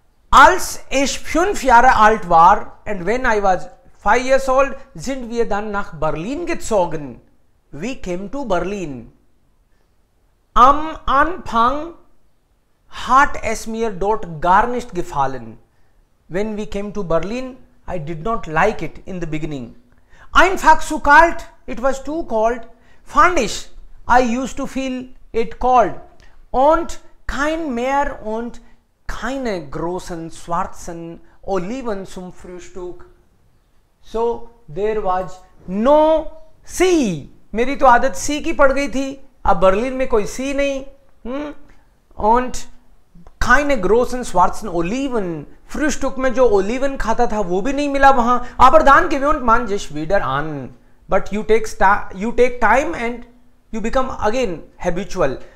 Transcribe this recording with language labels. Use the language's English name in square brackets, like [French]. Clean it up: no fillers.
[German] Als ich 5 Jahre alt war [English] and when I was 5 years old, [German] sind wir dann nach Berlin gezogen. [English] We came to Berlin. [German] Am Anfang hat es mir dort gar nicht gefallen. [English] When we came to Berlin, I did not like it in the beginning. [German] Einfach zu kalt, [English] it was too cold. [German] Fand ich, [English] I used to feel it cold. [German] Und kein Meer und keine großen schwarzen Oliven zum Frühstück. [English] So there was no sea. [Hindi] मेरी तो आदत सी की पड़ गई थी, अब Berlin में कोई सी नहीं. [German] Und keine großen schwarzen Oliven. [Hindi] Frühstück में जो ओलिवन खाता था वो भी नहीं मिला वहां. [German] Aber dann gewöhnt man sich wieder an. [English] But you take time and you become again habitual.